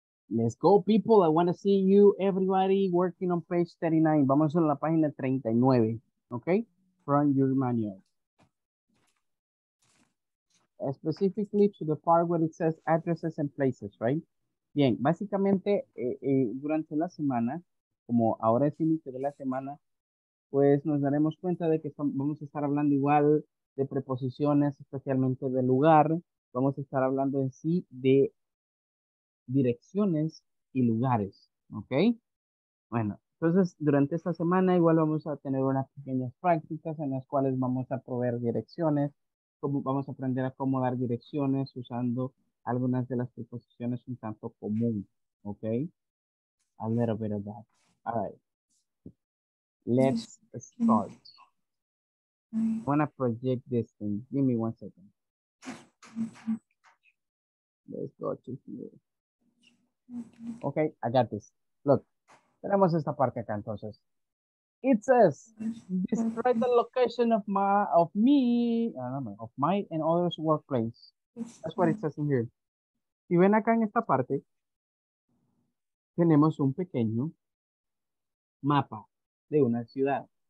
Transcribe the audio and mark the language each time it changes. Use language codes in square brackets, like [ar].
[en] Let's go, people. I want to see you, everybody, working on page 39. [es] Vamos a la página 39, [en] okay? From your manual. Specifically to the part where it says addresses and places, right? [es] Bien, básicamente, durante la semana, como ahora es inicio de la semana, pues nos daremos cuenta de que vamos a estar hablando igual de preposiciones, especialmente de lugar. Vamos a estar hablando en sí de direcciones y lugares, ¿ok? Bueno, entonces durante esta semana igual vamos a tener unas pequeñas prácticas en las cuales vamos a proveer direcciones, como vamos a aprender a cómo dar direcciones usando algunas de las preposiciones un tanto común, ¿ok? [en] A little bit of that. All right. Let's start. I want to project this thing. Give me one second. Let's go to here. Okay, I got this. Look, [es] tenemos esta parte acá entonces. [en] It says, describe the location of my and others' workplace. That's what it says in here. [es] Si ven acá en esta parte, tenemos un pequeño mapa de una ciudad.